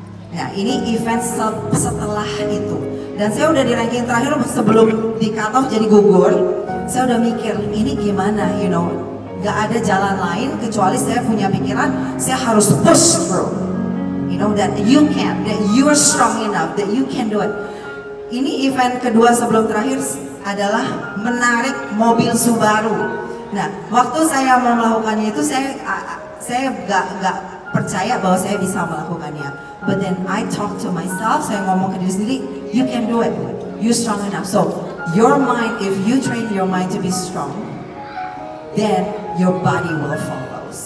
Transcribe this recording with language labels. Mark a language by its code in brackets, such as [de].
[id] Nah, ini event setelah itu. Dan saya udah di ranking terakhir sebelum di cut off jadi gugur. Saya udah mikir, ini gimana, [en] you know. [id] Gak ada jalan lain kecuali saya punya pikiran, saya harus [en] push through. You know, that you can, that you are strong enough, that you can do it. [id] Ini event kedua sebelum terakhir adalah menarik mobil Subaru. Nah, waktu saya mau melakukannya itu, saya gak percaya bahwa saya bisa melakukannya. [en] But then I talk to myself, [id] saya ngomong ke diri sendiri, [en] you can do it, you're strong enough. So, your mind, if you train your mind to be strong, then your body will follow.